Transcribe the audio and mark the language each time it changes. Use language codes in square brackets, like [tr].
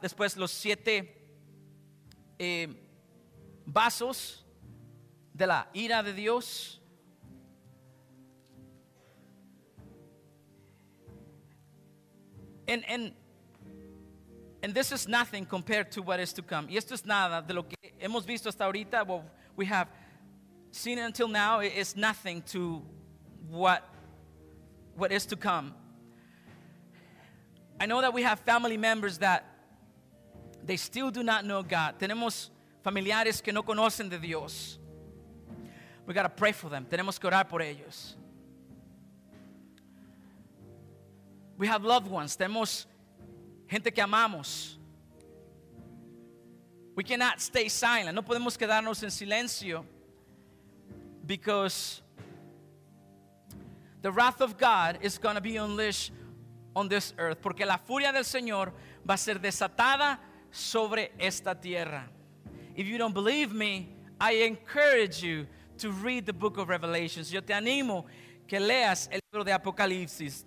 [es] Después los siete vasos de la ira de Dios. [en] And this is nothing compared to what is to come. [es] Y esto es nada de lo que hemos visto hasta ahorita. [en] What we have seen until now is nothing to what is to come. I know that we have family members that they still do not know God. [es] Tenemos familiares que no conocen de Dios. [en] We got to pray for them. [es] Tenemos que orar por ellos. [en] We have loved ones. [es] Tenemos gente que amamos. [en] We cannot stay silent. [es] No podemos quedarnos en silencio. [en] Because the wrath of God is going to be unleashed on this earth. [es] Porque la furia del Señor va a ser desatada sobre esta tierra. [en] If you don't believe me, I encourage you to read the book of Revelations. [es] Yo te animo que leas el libro de Apocalipsis.